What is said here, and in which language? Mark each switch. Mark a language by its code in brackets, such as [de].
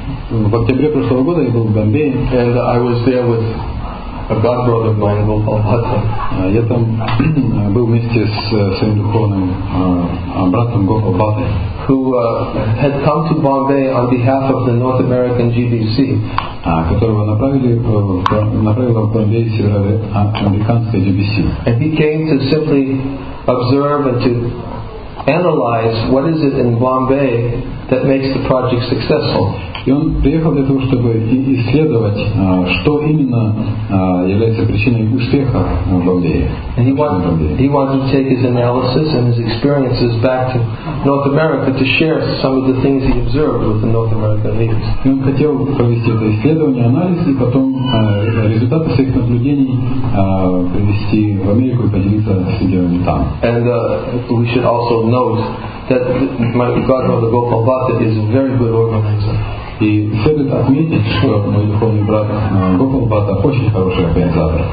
[ru] В октябре прошлого года я был в Бомбее. [en] And I was there with a god brother of mine, Gopal Bhatta. [ru] Я там был вместе с своим духовным братом Gopal Bhatta, [en] who had come to Bombay on behalf of the North American GBC. [ru] Которого направили в Бомбей североамериканское GBC. [en] And he came to simply observe and to analyze what is it in Bombay that makes the project successful. [ru] И он приехал для того, чтобы исследовать, что именно является причиной успеха в Бомбее. [en] And he wanted to take his analysis and his experiences back to North America to share some of the things he observed with the North American leaders. [ru] И он хотел провести это исследование, анализ, и потом результаты своих наблюдений привести в Америку и поделиться с людьми там. [en] And we should also note that my godbrother Gopal Bhatta is a very good organizer. [ru] И следует отметить, что мой духовный брат Гопал Бхатта очень хороший организатор.